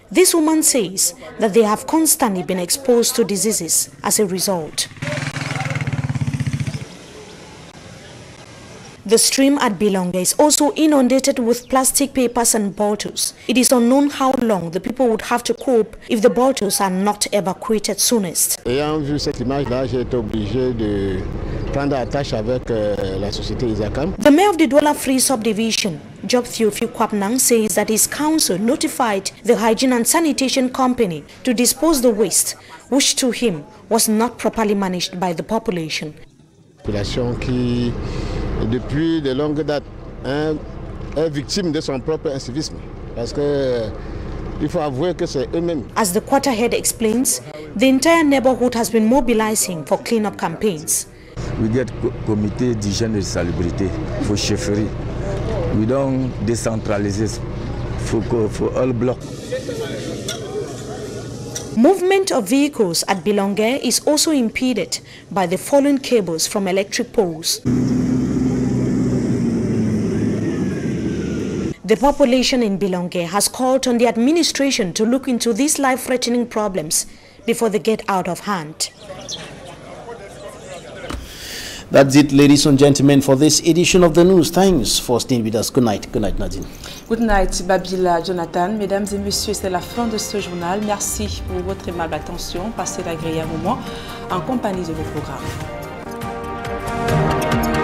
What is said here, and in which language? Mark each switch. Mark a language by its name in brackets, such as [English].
[English] This woman says that they have constantly been exposed to diseases as a result. The stream at Bilonge is also inundated with plastic papers and bottles. It is unknown how long the people would have to cope if the bottles are not evacuated soonest. [French] Ayant vu cette image-là, j'ai été obligé de prendre attache avec la société Isakam. [English] The mayor of the Douala Free Subdivision, Job Theophile Kwabnang, says that his council notified the hygiene and sanitation company to dispose the waste, which to him was not properly managed by the population. [French] Population qui depuis de longues dates, est victime de son propre incivisme. Parce que, il faut avouer que c'est eux-mêmes. [English] As the quarterhead explains, the entire neighborhood has been mobilizing for clean-up campaigns. We get [French] comité d'hygiène et de salubrité, [English] for chefferie. We don't decentralize for all block. Movement of vehicles at Bilongue is also impeded by the fallen cables from electric poles. The population in Bilongue has called on the administration to look into these life-threatening problems before they get out of hand. That's it, ladies and gentlemen, for this edition of the news. Thanks for staying with us. Good night. Good night, Nadine. Good night, Babila, Jonathan. [French] Mesdames et messieurs, c'est la fin de ce journal. Merci pour votre aimable attention. Passez d'agréables moments en compagnie de vos programmes.